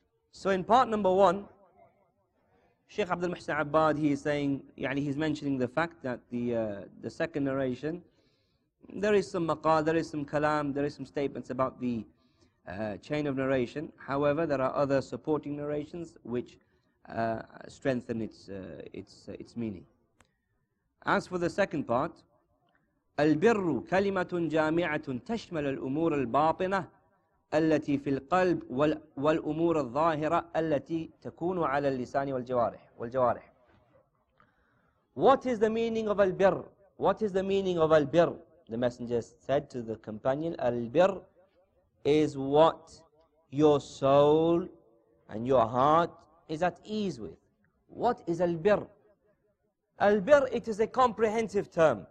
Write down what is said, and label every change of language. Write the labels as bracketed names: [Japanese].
[English] So in part number one, Shaykh Abdul Muhsin Abbad, he is saying, yani he's mentioning the fact that the second narration, there is some maqal, there is some kalam, there is some statements about the chain of narration. However, there are other supporting narrations which strengthen its meaning. As for the second part, [Arabic] البر كلمة جامعة تشمل الأمور الباطنة التي في القلب والأمور الظاهرة التي تكون على اللسان والجوارح. [English] What is the meaning of البر? What is the meaning of البر? The Messenger said to the companion, البر is what your soul and your heart is at ease with. What is البر? Al-birr, it is a comprehensive term.